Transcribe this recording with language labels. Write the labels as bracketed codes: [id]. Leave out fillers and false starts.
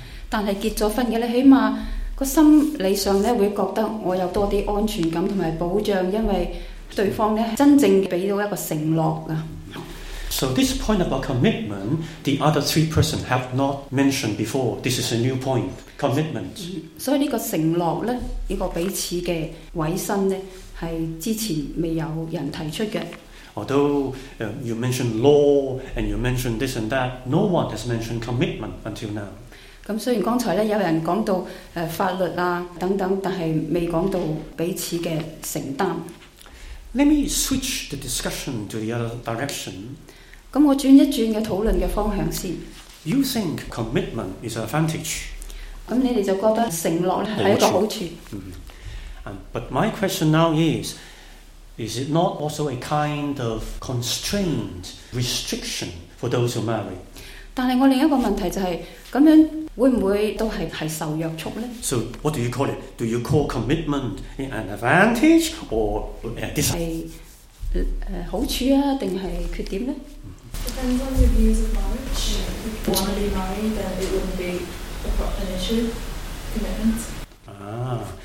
[yue] 但是结了婚的，起码心理上会觉得我有多些安全感和保障，因为对方咧真正俾到一个承诺啊。 [en] So this point about commitment, the other three persons have not mentioned before. This is a new point, commitment. [yue] 所以呢个承诺咧，呢个彼此嘅委身咧，系之前未有人提出嘅。 [en] Although you mentioned law and you mentioned this and that, no one has mentioned commitment until now. [yue] 咁虽然刚才咧有人讲到法律啊等等，但系未讲到彼此嘅承担。 [en] Let me switch the discussion to the other direction. [yue] 咁我转一转嘅讨论嘅方向先。 [en] You think commitment is an advantage? [yue] 咁你哋就觉得承诺咧系一个好处。 [en] But my question now is it not also a kind of constraint, restriction for those who marry? [yue] 但系我另一个问题就系咁样。会不会都 是受约束呢 [en] ？So what do you call it? Do you call commitment an advantage or a disadvantage? [yue] 是好处啊，定系缺点呢 [en] ？Depends on your views of marriage. If you want to be married, then it wouldn't be an issue. Commitment.